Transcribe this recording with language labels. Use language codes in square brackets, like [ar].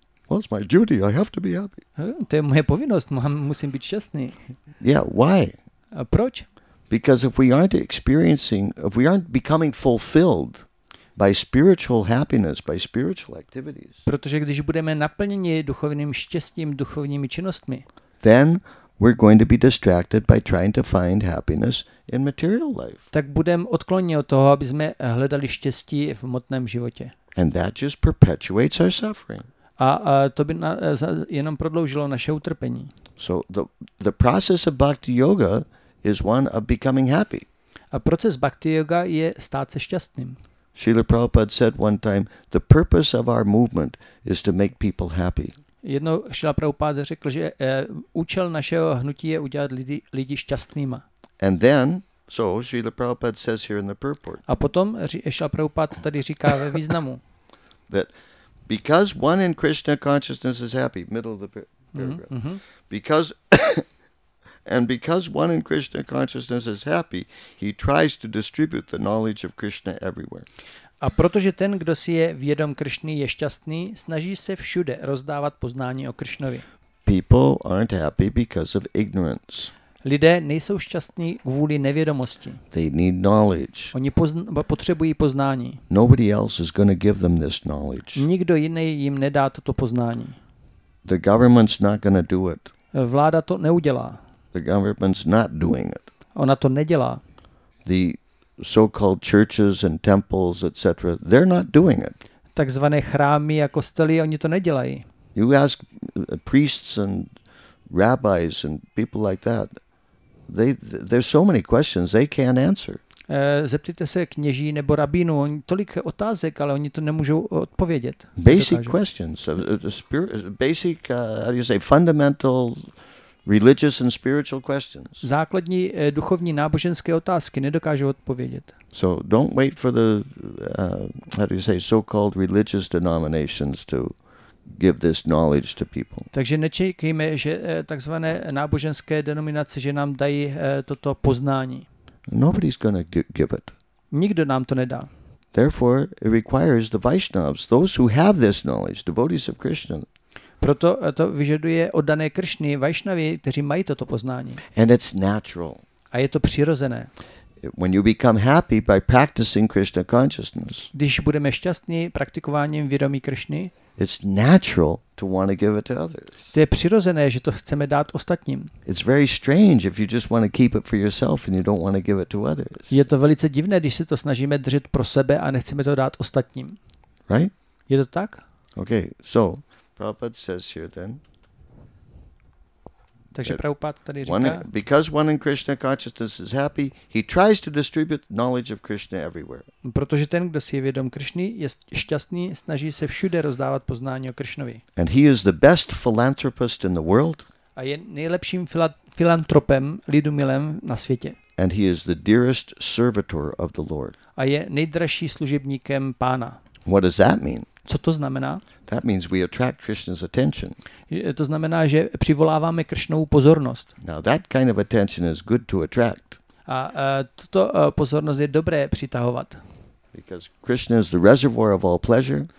[en] Well, it's my duty, I have to be happy. [cs] To je moje povinnost, musím být šťastný. [en] Yeah, why? [cs] A proč? [en] Because if we aren't becoming fulfilled by spiritual happiness, by spiritual activities. [cs] Protože když budeme naplněni duchovním štěstím, duchovními činnostmi, [en] then we're going to be distracted by trying to find happiness in material life. [cs] Tak budeme odkloněni od toho, aby jsme hledali štěstí v hmotném životě. [en] And that just perpetuates our suffering. [cs] A to by jenom prodloužilo naše utrpení. [en] So the process of bhakti yoga is one of becoming happy. [cs] A proces Bhakti Yoga je stát se šťastným. [en] Srila Prabhupada said one time, the purpose of our movement is to make people happy. [cs] Jednou Srila Prabhupada řekl, že účel našeho hnutí je udělat lidi šťastnýma. [en] And then, so Srila Prabhupada says here in the purport. [cs] A potom Srila Prabhupada tady říká ve významu. [en] That because one in Krishna consciousness is happy, middle of the paragraph. Because and because one in Krishna consciousness is happy, he tries to distribute the knowledge of Krishna everywhere. [cs] A protože ten, kdo si je vědom Krišny, je šťastný, snaží se všude rozdávat poznání o Krišnovi. [en] People aren't happy because of ignorance. [cs] Lidé nejsou šťastní kvůli nevědomosti. [en] They need knowledge. [cs] Oni potřebují poznání. [en] Nobody else is going to give them this knowledge. [cs] Nikdo jiný jim nedá toto poznání. [en] The government's not going to do it. [cs] Vláda to neudělá. [en] The government's not doing it. [cs] Ona to nedělá. [en] The so-called churches and temples, etc., they're not doing it. [cs] Takzvané chrámy a kostely, oni to nedělají. [en] You ask priests and rabbis and people like that. There's so many questions they can't answer. [cs] Zeptejte se kněží nebo rabínů, oni tolik otázek, ale oni to nemůžou odpovědět. [en] Basic questions, basic, how do you say, fundamental religious and spiritual questions. [cs] Základní duchovní náboženské otázky nedokážou odpovědět. [en] So don't wait for the how do you say, so-called religious denominations to give this knowledge to people. [cs] Takže nečekejme, že takzvané náboženské denominace, že nám dají toto poznání. [en] Nobody's gonna give it. [cs] Nikdo nám to nedá. [en] Therefore, it requires the Vaishnavas, those who have this knowledge, devotees of Krishna. [cs] Proto to vyžaduje oddané Kršny, Vaishnavi, kteří mají toto poznání. [en] And it's natural. [cs] A je to přirozené. [en] When you become happy by practicing Krishna consciousness. [cs] Když budeme šťastní praktikováním vědomí Kršny. [en] It's natural to want to give it to others. [cs] To je přirozené, že to chceme dát ostatním. [en] It's very strange if you just want to keep it for yourself and you don't want to give it to others. [cs] Je to velice divné, když si to snažíme držet pro sebe a nechceme to dát ostatním. [en] Right? [cs] Je to tak? [en] Okay, so Prabhupada says here then. [cs] Takže Prabhupada tady říká, [en] because one in Krishna consciousness is happy, he tries to distribute knowledge of Krishna everywhere. [cs] Protože ten, kdo si je vědom Krišny, je šťastný, snaží se všude rozdávat poznání o Krišnovi. [en] And he is the best philanthropist in the world. [cs] A je nejlepším filantropem, lidumilem na světě. [en] And he is the dearest servitor of the Lord. [cs] A je nejdražší služebníkem Pána. [en] What does that mean? [cs] Co to znamená? [en] That means we attract Krishna's attention. [cs] To znamená, že přivoláváme Krishnovu pozornost. [en] Now that kind of attention is good to attract. [cs] A tuto pozornost je dobré přitahovat. [en] Because Krishna is the reservoir of all pleasure.